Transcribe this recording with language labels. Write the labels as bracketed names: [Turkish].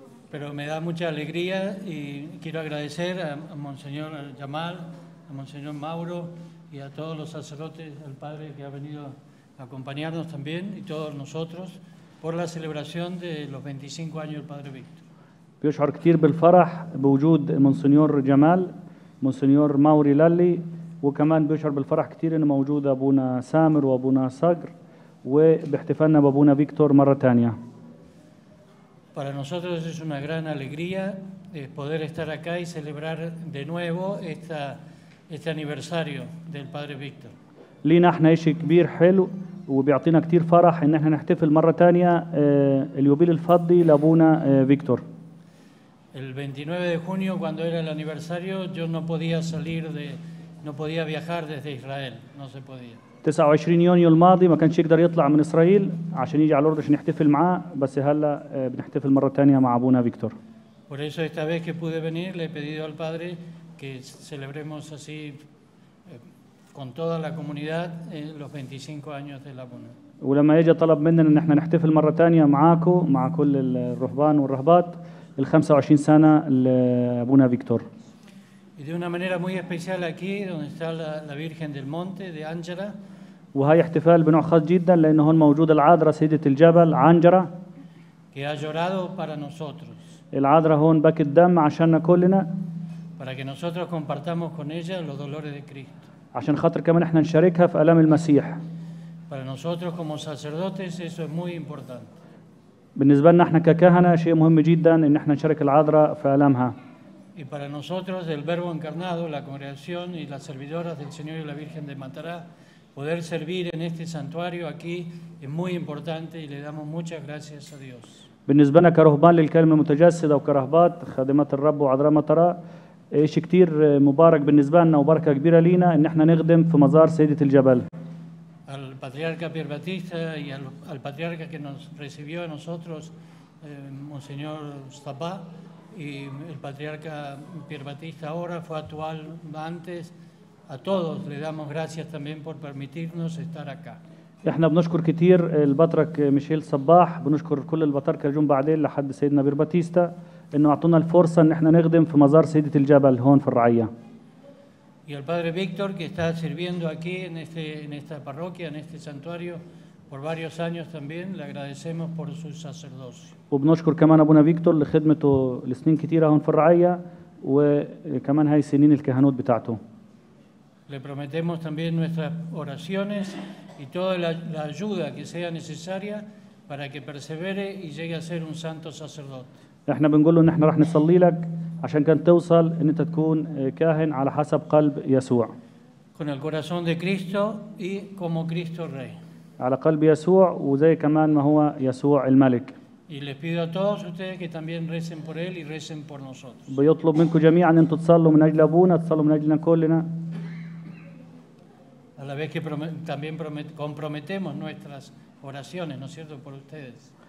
[Spanish] pero me da mucha alegría y quiero agradecer a Monseñor Jamal, a Monseñor Mauro y a todos los sacerdotes, al padre que ha venido acompañarnos también y todos nosotros por la celebración de los 25 años del Padre Víctor. [Arabic] بيشعر كثير بالفرح بوجود مونسنيور جمال، مونسنيور ماوري لالي، وكمان بيشعر بالفرح كثير انه موجود ابونا سامر وابونا صقر، وباحتفالنا بابونا فيكتور مره ثانيه. [Spanish] Para nosotros es una gran alegría poder estar acá y celebrar de nuevo este aniversario del Padre Víctor. [Arabic] لينا احنا شيء كبير حلو وبيعطينا كثير فرح ان احنا نحتفل مره ثانيه اليوبيل الفضي لابونا فيكتور. [Spanish] El 29 de junio cuando era el aniversario yo no podía salir de no podía viajar desde Israel, no se podía. [Arabic] 29 يونيو الماضي ما كانش يقدر يطلع من اسرائيل عشان يجي على الاردن عشان يحتفل معاه، بس هلا بنحتفل مره ثانيه مع ابونا فيكتور. [Spanish] Por eso esta vez que pude venir le he pedido al padre que celebremos así con toda la comunidad los 25 años de la Buna. [Arabic] ولما يجي طلب مننا ان احنا نحتفل مره ثانيه معاكم مع كل الرهبان والرهبات ال 25 سنه لابونا فيكتور. [Spanish] Y de una manera muy especial aquí donde está la Virgen del Monte de Angela. [Arabic] وهي احتفال بنوع خاص جدا لانه هون موجوده العذراء سيده الجبل عنجرة. [Spanish] Que ha llorado para nosotros. [Arabic] العذراء هون بكت دم عشاننا كلنا. [Spanish] Para que nosotros compartamos con ella los dolores de Cristo. [Arabic] عشان خاطر كمان احنا نشاركها في آلام المسيح. [Spanish] Para nosotros como sacerdotes eso es muy importante. [Arabic] بالنسبة لنا احنا ككهنة شيء مهم جدا ان احنا نشارك العذراء في آلامها. [Spanish] Y para nosotros el verbo encarnado, la congregación y las servidoras del Señor y la Virgen de Matará poder servir en este santuario aquí es muy importante y le damos muchas gracias a Dios. [Arabic] بالنسبة لنا كرهبان للكلمة المتجسدة وكرهبات خادمة الرب وعذراء مطراء شيء كثير مبارك بالنسبة لنا وبركة كبيرة لنا إن إحنا نخدم في مزار سيدة الجبل. [Spanish] Al patriarca Pier Batista y al patriarca que nos recibió a nosotros, Monseñor Stapa y el patriarca Pier Batista ahora fue actual antes. A todos le damos gracias también por permitirnos estar acá. [Arabic] إحنا بنشكر كثير البطرك ميشيل صباح، بنشكر كل البطاركة جم بعدين لحد سيدنا بير باتيستا. انه اعطونا الفرصه ان احنا نخدم في مزار سيده الجبل هون في الرعيه. [Spanish] Y el padre Víctor que está sirviendo aquí en esta parroquia en este santuario por varios años también le agradecemos por su sacerdocio. [Arabic] وبنشكر كمان ابونا فيكتور لخدمته لسنين كثيره هون في الرعيه وكمان هاي السنين الكهنوت بتاعته. [Spanish] Le prometemos también nuestras oraciones y toda la ayuda que sea necesaria para que persevere y llegue a ser un santo sacerdote. [Arabic] احنا بنقول له ان احنا راح نصلي لك عشان كان توصل ان انت تكون كاهن على حسب قلب يسوع. [Spanish] Con el corazón de Cristo y como Cristo rey. [Arabic] على قلب يسوع وزي كمان ما هو يسوع الملك. [Spanish] Y les pido a todos ustedes que también recen por él y recen por nosotros. [Arabic] بيطلب منكم جميعا ان انتم تصلوا من اجل ابونا، تصلوا من اجلنا كلنا. [Spanish] A la vez que también comprometemos nuestras oraciones, ¿no es cierto?, por ustedes.